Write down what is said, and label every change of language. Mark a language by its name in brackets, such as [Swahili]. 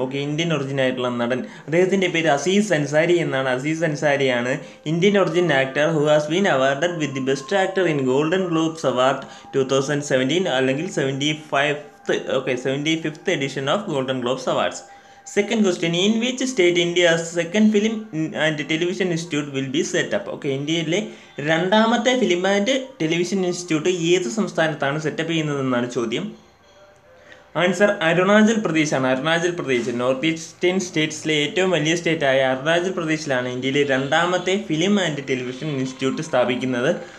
[Malayalam] Okay, Indian origin ആയിട്ടുള്ള നടൻ, അദ്ദേഹത്തിൻ്റെ പേര് അസീസ് അൻസാരി എന്നാണ്. [English] അസീസ് അൻസാരിയാണ് Indian origin actor who has been awarded with the best actor in Golden Globes award 2017 അല്ലെങ്കിൽ 75th, okay 75th edition of Golden Globes awards. Second question: in which state India's second film and television institute will be set up? [Malayalam] Okay, ഇന്ത്യയിലെ രണ്ടാമത്തെ film and television institute ഏത് സംസ്ഥാനത്താണ് setup ചെയ്യുന്നതെന്നാണ് ചോദ്യം. Answer: Arunachal പ്രദേശാണ്. Arunachal Pradesh north eastern സ്റ്റേറ്റ്സിലെ ഏറ്റവും വലിയ സ്റ്റേറ്റായ അരുണാചൽ പ്രദേശിലാണ് ഇന്ത്യയിലെ രണ്ടാമത്തെ film and television institute സ്ഥാപിക്കുന്നത്.